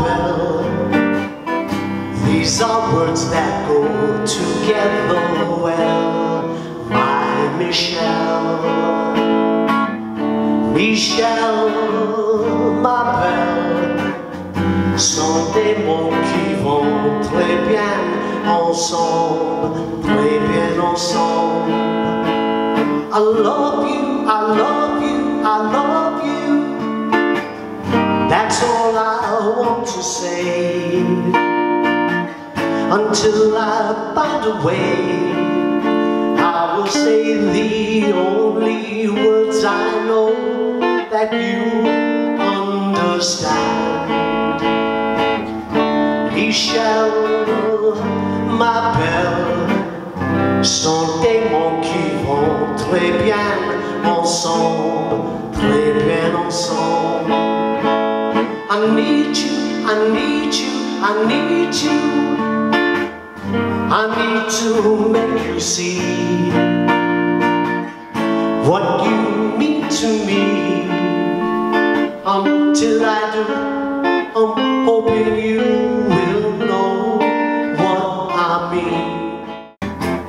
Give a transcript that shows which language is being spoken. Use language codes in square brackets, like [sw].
[en] These are words that go together well, my Michelle. [fr] Michelle, ma belle, sont des mots qui vont très bien ensemble, très bien ensemble. [en] I love you, I love you, I love you. That's all I want to say. Until I find a way, I will say the only words I know that you understand. [fr] Michelle, ma belle, sont des mots qui vont très bien ensemble, très bien ensemble. [en] I need you, I need you, I need you. I need to make you see what you mean to me. Until I do, I'm hoping you will know what I mean.